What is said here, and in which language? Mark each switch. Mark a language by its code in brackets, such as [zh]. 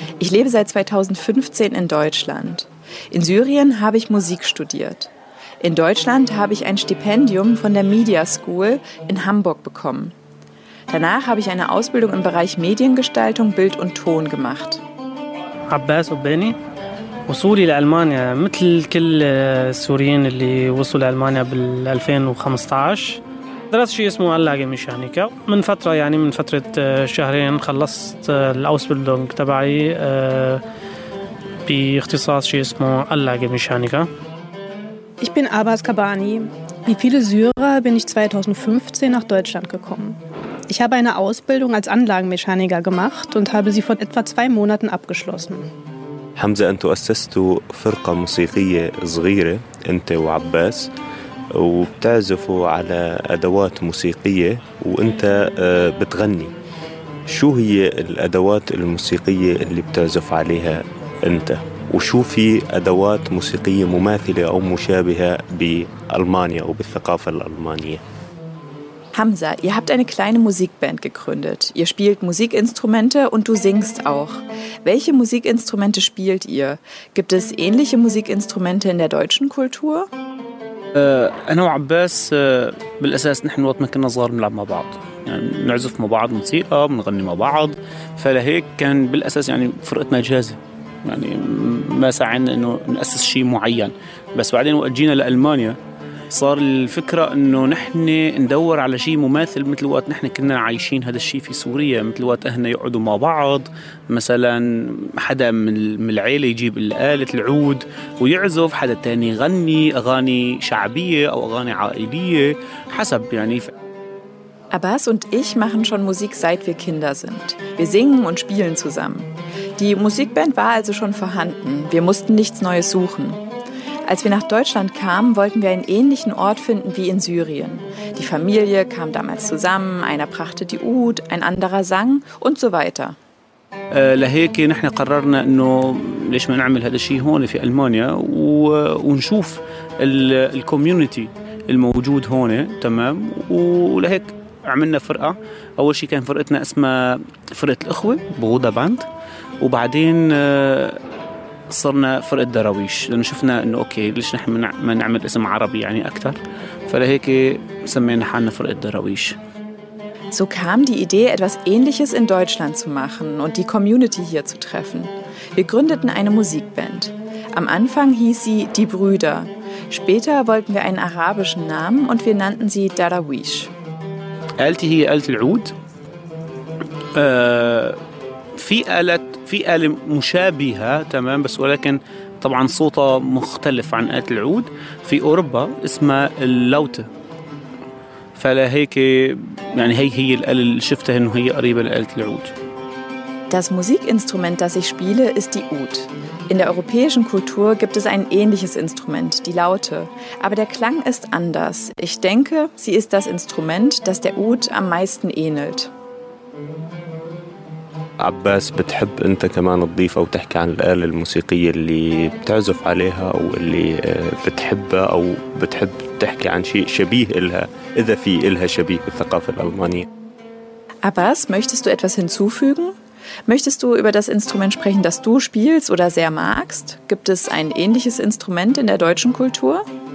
[de] Ich lebe seit 2015 in Deutschland. In Syrien habe ich Musik studiert. In Deutschland habe ich ein Stipendium von der Media School in Hamburg bekommen. Danach habe ich eine Ausbildung im Bereich Mediengestaltung, Bild und Ton gemacht. Abbas und Benny, [ar] وصولي لألمانيا مثل كل السوريين اللي وصلوا لألمانيا بال 2015. درست شيء اسمه ألاقة ميشانيكا من فترة، يعني من فترة شهرين خلصت الأوسبيلدونغ تبعي باختصاص شيء اسمه ألاقة ميشانيكا. [de] Ich bin Abbas Kabani. Wie viele Syrer bin ich 2015 nach Deutschland gekommen. Ich habe eine Ausbildung als Anlagenmechaniker gemacht und habe sie vor etwa 2 Monaten abgeschlossen. [ar] حمزة، أنت أسست فرقة موسيقية صغيرة أنت وعباس وبتعزفوا على أدوات موسيقية وأنت بتغني، شو هي الأدوات الموسيقية اللي بتعزف عليها أنت وشو في أدوات موسيقية مماثلة أو مشابهة بألمانيا أو بالثقافة الألمانية. [de] Hamza, ihr habt eine kleine Musikband gegründet. Ihr spielt Musikinstrumente und du singst auch. Welche Musikinstrumente spielt ihr? Gibt es ähnliche Musikinstrumente in der deutschen Kultur? [ar] أنا وعباس بالأساس نحن وقت ما كنا صغار نلعب مع بعض يعني نعزف مع بعض موسيقى بنغني مع بعض فلهيك كان بالأساس يعني فرقتنا جاهزة يعني ما سعينا إنه نأسس شيء معين بس بعدين وقت جينا لألمانيا صار الفكرة إنه نحن ندور على شيء مماثل مثل وقت نحن كنا عايشين هذا الشيء في سوريا مثل وقت أهلنا يقعدوا مع بعض مثلا حدا من العيلة يجيب الآلة العود ويعزف حدا تاني يغني أغاني شعبية أو أغاني عائلية حسب يعني [de] Abbas und ich machen schon Musik seit wir Kinder sind. Wir singen und spielen zusammen. Die Musikband war also schon vorhanden. Wir mussten nichts Neues suchen. Als wir nach Deutschland kamen, wollten wir einen ähnlichen Ort finden wie in Syrien. Die Familie kam damals zusammen, einer brachte die Oud, ein anderer sang und so weiter. [ar] لهيك نحن قررنا انه ليش ما نعمل هذا الشيء هون في المانيا ونشوف الكوميونتي الموجود هون تمام ولهيك عملنا فرقه اول شيء كان فرقتنا اسمها فرقه الاخوه بغوده باند وبعدين صرنا فرقة درويش لأنه شفنا أنه أوكي ليش نحن ما نعمل اسم عربي يعني أكثر فلهيك سمينا حالنا فرقة درويش [de] So kam die Idee, etwas Ähnliches in Deutschland zu machen und die Community hier zu treffen. Wir gründeten eine Musikband. Am Anfang hieß sie Die Brüder. Später wollten wir einen arabischen Namen und wir nannten sie Darawish. [ar] آلتي هي آلة العود. في آلة في آلة مشابهة تمام بس ولكن طبعا صوتها مختلف عن آلة العود في أوروبا اسمها اللوتة فلهيك يعني هي الآلة اللي شفتها إنه هي قريبة لآلة العود. [de] Das Musikinstrument, das ich spiele, ist die Oud. In der europäischen Kultur gibt es ein ähnliches Instrument, die Laute. Aber der Klang ist anders. Ich denke, sie ist das Instrument, das der Oud am meisten ähnelt. [ar] عباس بتحب أنت كمان تضيف أو تحكي عن الآلة الموسيقية اللي بتعزف عليها أو اللي بتحبها أو بتحب تحكي عن شيء شبيه إلها إذا في إلها شبيه بالثقافة الألمانية. [de] عباس, möchtest du etwas hinzufügen? Möchtest du über das Instrument sprechen, das du spielst oder sehr magst? Gibt es ein ähnliches Instrument in der deutschen Kultur?